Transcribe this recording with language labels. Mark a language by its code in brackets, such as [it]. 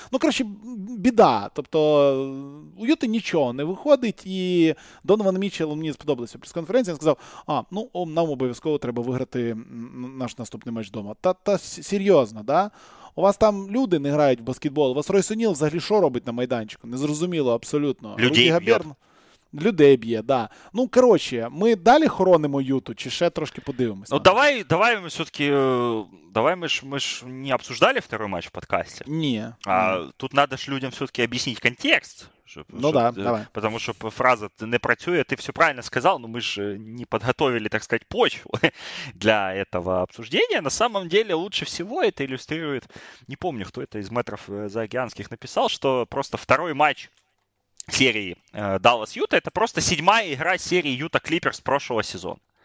[uk] Ну, коротше, біда. Тобто, у Юти нічого не виходить, і Донован Мічел, мені сподобалося прес-конференція, сказав, а, ну, нам обов'язково треба виграти наш наступний матч вдома. Та серйозно, да? У вас там люди не грають в баскетбол. У вас Ройс О'Ніл взагалі що робить на майданчику? Незрозуміло абсолютно. Людей б'є. Габерн... Людей б'є, да. Ну, коротше, ми далі хоронимо Юту, чи ще трошки подивимося? Ну, давай, давай ми все-таки... Давай ми ж не [ru] обсуждали второй матч [uk] в подкасті. Ні. А тут треба ж людям все-таки об'яснити контекст. Щоб, ну, щоб, да, давай. [ru] Потому что фраза [uk] не працює, [ru] ты все правильно сказал, но мы же не подготовили, так сказать, почву для этого обсуждения. На самом деле лучше всего это иллюстрирует, не помню, кто это из метров заокеанских написал, что просто второй матч серии Даллас-Юта это просто седьмая игра серии Юта-Клиперс прошлого сезона.